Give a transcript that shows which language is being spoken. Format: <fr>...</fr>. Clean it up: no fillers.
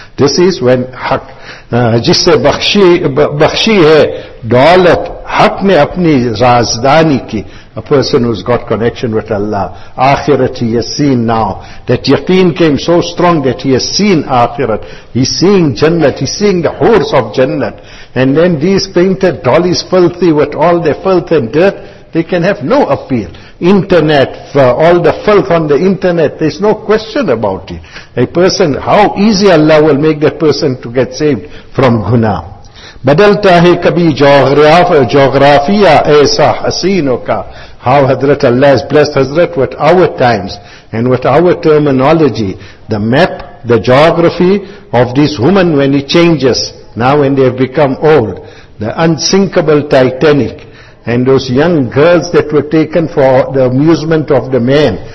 <en>This is when</en> <ur>haq, jisse bakhshi hai, daulat, haq ne apni razdani ki,</ur> <en>a person who's got connection with Allah, akhirat he has seen now, that yaqeen came so strong that he has seen akhirat, he's seeing jannat, he's seeing the horse of jannat, and then these painted dollies filthy with all their filth and dirt, they can have no appeal. Internet, all the filth on the internet, there's no question about it. A person, how easy Allah will make that person to get saved from guna.</en> <ur>بدلتا ہے کبھی جغرافیہ ایسا حسینوں کا.</ur> <en>How Hazrat Allah has blessed Hazrat with our times and with our terminology. The map, the geography of this woman when it changes, now when they have become old. The unsinkable Titanic and those young girls that were taken for the amusement of the men.</en>